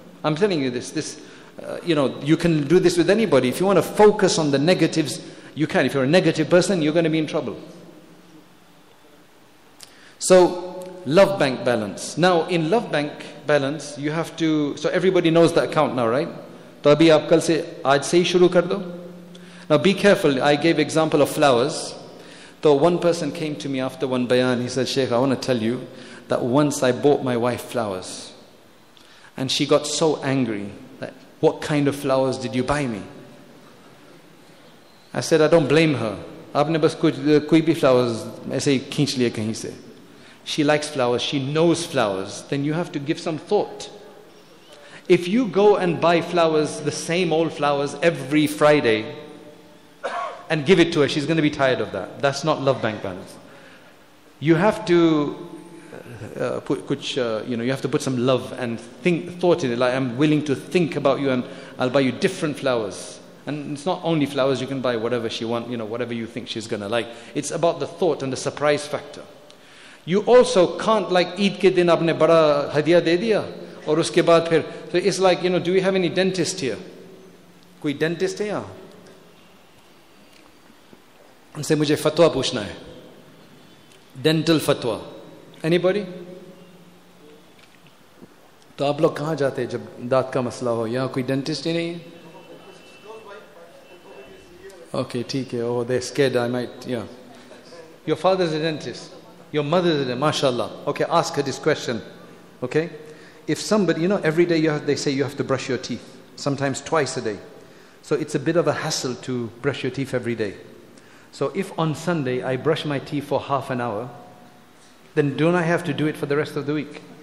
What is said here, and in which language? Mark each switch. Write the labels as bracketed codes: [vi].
[en] I'm telling you this, you can do this with anybody. If you want to focus on the negatives, you can. If you're a negative person, you're going to be in trouble. So, love bank balance. Now, in love bank balance, you have to... So, everybody knows the account now, right? [hi] So, अभी आप कल से, आज से ही शुरू कर दो। [en] Now, be careful. I gave example of flowers. So, one person came to me after one bayan. He said, Sheikh, I want to tell you that once I bought my wife flowers. And she got so angry. That, what kind of flowers did you buy me? I said, I don't blame her. [hi] आपने बस कोई भी flowers ऐसे खींच लिए कहीं से। [en] She likes flowers, she knows flowers, then you have to give some thought. If you go and buy flowers, the same old flowers every Friday, and give it to her, she's going to be tired of that. That's not love bank balance. You have to put some love and thought in it. Like, I'm willing to think about you and I'll buy you different flowers. And it's not only flowers, you can buy whatever she wants, you know, whatever you think she's going to like. It's about the thought and the surprise factor. You also can't like [hi] Eid के दिन आपने बड़ा हदिया दे दिया और उसके बाद फिर। [en] So it's like, you know, do we have any dentist here? [hi] कोई dentist है या? उनसे मुझे फतवा पूछना है। Dental फतवा। [en] Anybody? [hi] तो आप लोग कहां जाते है जब दांत का मसला हो? यहां कोई dentist ही नहीं है? Okay, ठीक है। [en] Oh, they're scared I might, yeah. Your father's a dentist. Your mother is there, mashallah. Okay, ask her this question. Okay? If somebody, you know, every day they say you have to brush your teeth. Sometimes twice a day. So it's a bit of a hassle to brush your teeth every day. So if on Sunday I brush my teeth for half an hour, then don't I have to do it for the rest of the week?